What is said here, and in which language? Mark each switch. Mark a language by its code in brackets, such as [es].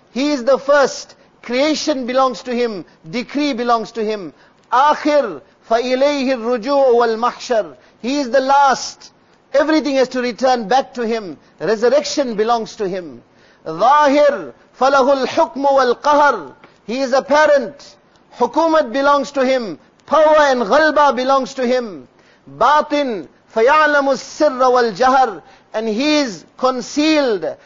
[en] He is the first. Creation belongs to him. Decree belongs to him. [ar] Akhir, فَإِلَيْهِ الرُّجُوعُ وَالْمَحْشَرُ. [en] He is the last. Everything has to return back to him. Resurrection belongs to him. [ar] ظَاهِر, فَلَهُ الْحُكْمُ وَالْقَهَرُ. [en] He is apparent. حُكُومَت belongs to him. Power and غَلْبَ belongs to him. [ar] بَاطِن, فَيَعْلَمُ السِّرَّ وَالْجَهَرُ. [en] And he is concealed.